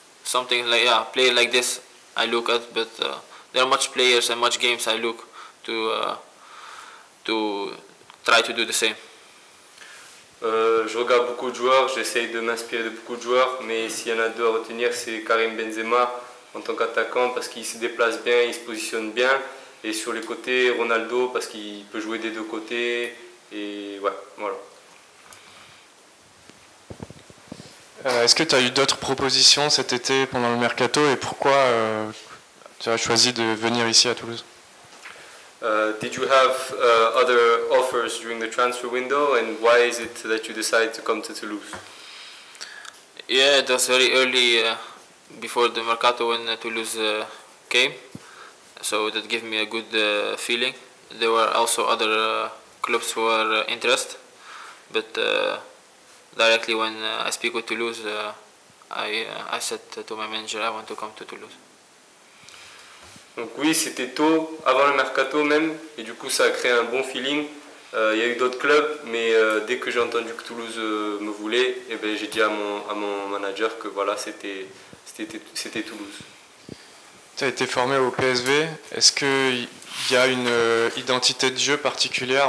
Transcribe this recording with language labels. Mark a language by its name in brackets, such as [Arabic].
[English] Something like yeah, play like this. I look at, but there are much players and much games I look to try to do the same. [French] Je regarde beaucoup de joueurs. J'essaye de m'inspirer de beaucoup de joueurs, mais s'il y en a deux à retenir, c'est Karim Benzema en tant qu'attaquant parce qu'il se déplace bien, il se positionne bien, et sur les côtés Ronaldo parce qu'il peut jouer des deux côtés et ouais, voilà. Est-ce que tu as eu d'autres propositions cet été pendant le mercato et pourquoi tu as choisi de venir ici à Toulouse? [English] Did you have other offers during the transfer window and why is it that you decided to come to Toulouse? Yeah, it was very early before the mercato when Toulouse came, so that gave me a good feeling. There were also other clubs who were interested, but directly when I speak with Toulouse, I said to my manager I want to come to Toulouse. [French] Donc oui, c'était tôt, avant le mercato même, et du coup ça a créé un bon feeling. Il y a eu d'autres clubs, mais dès que j'ai entendu que Toulouse me voulait, eh ben, j'ai dit à mon manager que voilà, c'était Toulouse. Tu as été formé au PSV, est-ce qu'il y a une identité de jeu particulière?